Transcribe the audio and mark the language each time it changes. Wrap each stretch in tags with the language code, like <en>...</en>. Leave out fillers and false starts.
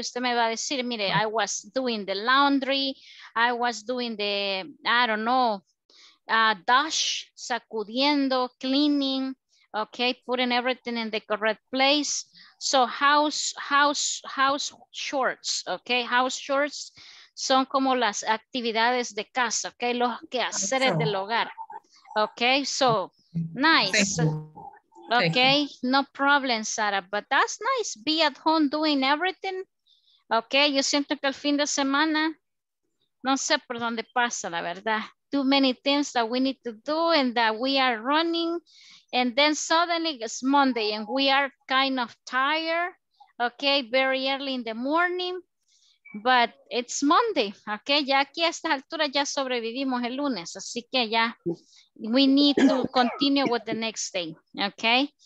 <es>Usted me va a decir, mire,</es> <en>I was doing the laundry, I was doing the, I don't know, dash,</en> <es>sacudiendo,</es> <en>cleaning, okay, putting everything in the correct place. So house chores, okay?</en> <es>House chores son como las actividades de casa, okay? Los quehaceres del hogar, okay?</es> <en>So nice. Okay, no problem, Sara, but that's nice. Be at home doing everything.</en> <es>Okay, yo siento que el fin de semana, no sé por dónde pasa, la verdad.</es> <en>Too many things that we need to do and that we are running. And then suddenly it's Monday and we are kind of tired. Okay, very early in the morning. But it's Monday, okay?</en> <es>Ya aquí a esta altura ya sobrevivimos el lunes, así que ya</es> <en>we need to continue with the next day,</en> <es>okay?</es>